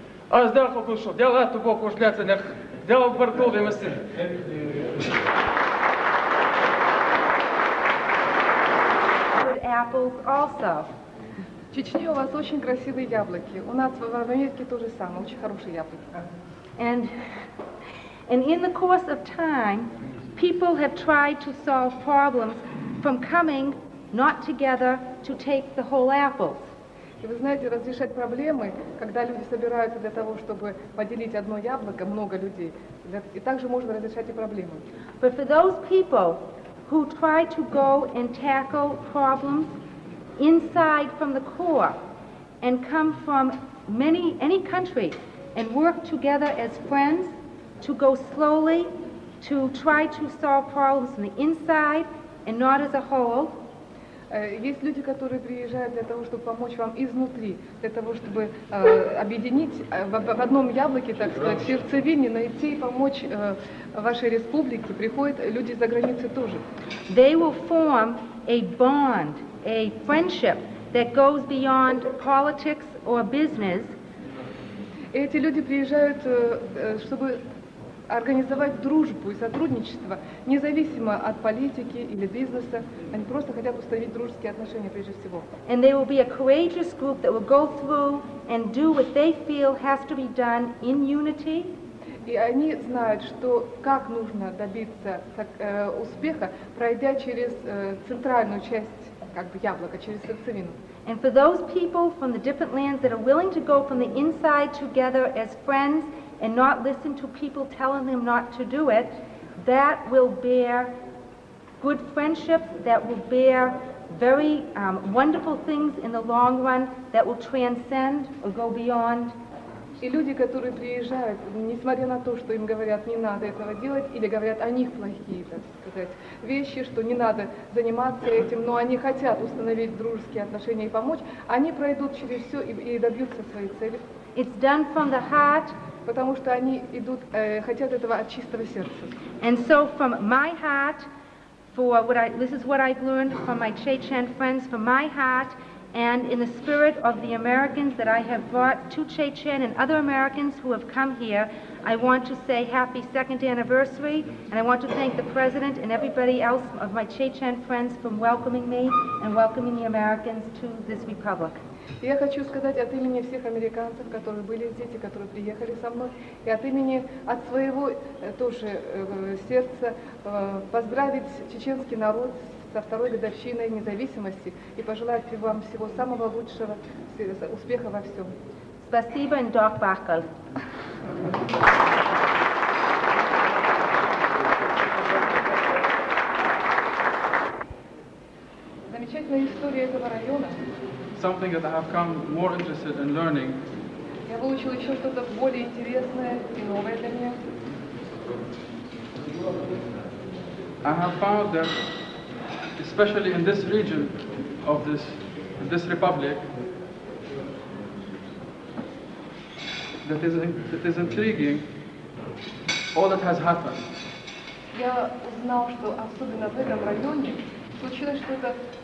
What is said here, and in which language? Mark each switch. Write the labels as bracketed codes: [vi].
[ru] А сдал покушал, дел ад тупо кушляться, дел борту для мысли. В Чечне у вас очень красивые яблоки. У нас в Америке тоже самое, очень хорошие яблоки. [en] And in the course of time, people have tried to solve problems from coming not together to take the whole apple. [ru] И вы знаете, разрешать проблемы, когда люди собираются для того, чтобы поделить одно яблоко, много людей, и также можно разрешать и проблемы. [en] But for those people who try to go and tackle problems inside from the core and come from any country and work together as friends to go slowly to try to solve problems on the inside and not as a whole. [ru] Есть люди, которые приезжают для того, чтобы помочь вам изнутри, для того, чтобы объединить в одном яблоке, так сказать, в сердцевине, найти и помочь вашей республике. Приходят люди за границы тоже. [en] They will form a bond, a friendship that goes beyond politics or business. [ru] Эти люди приезжают, чтобы организовать дружбу и сотрудничество, независимо от политики или бизнеса. Они просто хотят установить дружеские отношения прежде всего. [en] And they will be a courageous group that will go through and do what they feel has to be done in unity. [ru] И они знают, что как нужно добиться успеха, пройдя через центральную часть, как бы яблоко, через сердцевину. [en] And for those people from the different lands that are willing to go from the inside together as friends and not listen to people telling them not to do it, that will bear good friendships, that will bear very wonderful things in the long run that will transcend or go beyond. [ru] И люди, которые приезжают, несмотря на то, что им говорят, не надо этого делать, или говорят о них плохие, так сказать, вещи, что не надо заниматься этим, но они хотят установить дружеские отношения и помочь, они пройдут через все и добьются своей цели. [en] It's done from the heart. [ru] Потому что они идут, хотят этого от чистого сердца. [en] And so from my heart, for what I, this is what I've learned from my Chechen friends, from my heart, and in the spirit of the Americans that I have brought to Chechen and other Americans who have come here, I want to say happy second anniversary, and I want to thank the president and everybody else of my Chechen friends for welcoming me and welcoming the Americans to this republic. [ru] Я хочу сказать от имени всех американцев, которые были здесь и которые приехали со мной, и от имени от своего тоже сердца поздравить чеченский народ со второй годовщиной независимости и пожелать вам всего самого лучшего, успеха во всем. Спасибо, Дорк Бахкал. Замечательная история этого района. [en] Something that I have come more interested in learning. [ru] Я выучил еще что-то более интересное и новое для меня. [en] I have found that, especially in this region of this republic, that is intriguing. All that has happened. [ru] Я узнал, что особенно в этом районе случилось что-то.